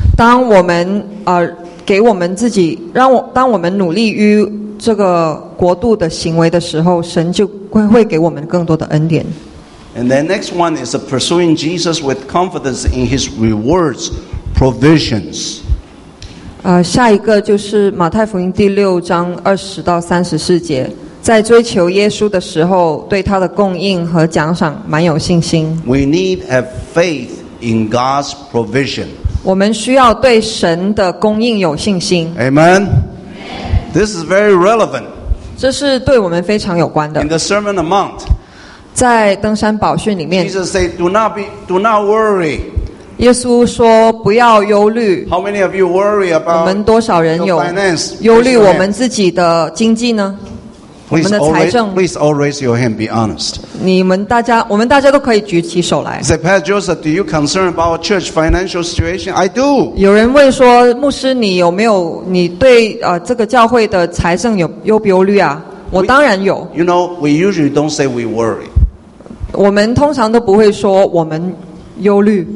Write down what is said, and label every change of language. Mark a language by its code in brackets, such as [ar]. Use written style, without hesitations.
[zh] 当我们给我们自己，当我们努力于这个国度的行为的时候，神就会给我们更多的恩典。 [en] And then next one is pursuing Jesus with confidence in His rewards, provisions. [zh] 下一个就是马太福音第六章二十到三十四节，在追求耶稣的时候，对他的供应和奖赏蛮有信心。 [en] We need have faith. In God's provision, [zh] 我们需要对神的供应有信心。 [en] Amen. This is very relevant. [zh] 这是对我们非常有关的。 [en] In the Sermon on the Mount, [zh] 在登山宝训里面 [en] ，Jesus said, "Do not worry." [zh] 耶稣说不要忧虑。 [en] How many of you worry about? [zh] 我们多少人有 [en] finance, [zh] 忧虑我们自己的经济呢？ [en] Please all raise your hand. Be honest. [zh] 你们大家，我们大家都可以举起手来。 [en] Say, Pastor Joseph, do you concern about church financial situation? I do. [zh] 有人问说，牧师，你有没有你对这个教会的财政有忧不忧虑啊？我当然有。 [en] You know, we usually don't say we worry. [zh] 我们通常都不会说我们忧虑。